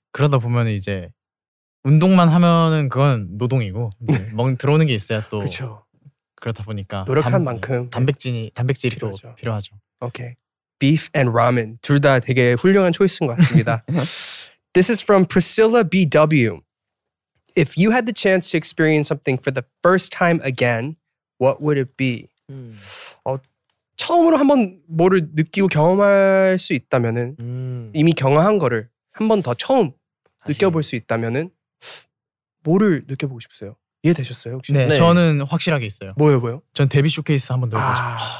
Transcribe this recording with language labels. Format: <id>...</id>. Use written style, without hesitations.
<ko>그러다 보면 이제 운동만 하면은 그건 노동이고 멍 들어오는 게 있어야 또 그렇죠. 그렇다 보니까 노력한 만큼 단백질이 네. 단백질이 필요하죠. 또 필요하죠.</ko> <en>오케이. Beef and ramen.</en> <ko>둘 다 되게 훌륭한 초이스인 것 같습니다.</ko> <en>This is from Priscilla BW. If you had the chance to experience something for the first time again, what would it be?</en> <ko>처음으로 한번 뭐를 느끼고 경험할 수 있다면은 이미 경험한 거를 한 번 더 처음 다시. 느껴볼 수 있다면은 뭐를 느껴보고 싶으세요? 이해되셨어요 혹시? 네, 네. 저는 확실하게 있어요. 뭐예요? 뭐예요? 전 데뷔 쇼케이스 한번 더 보고 싶어요.</ko>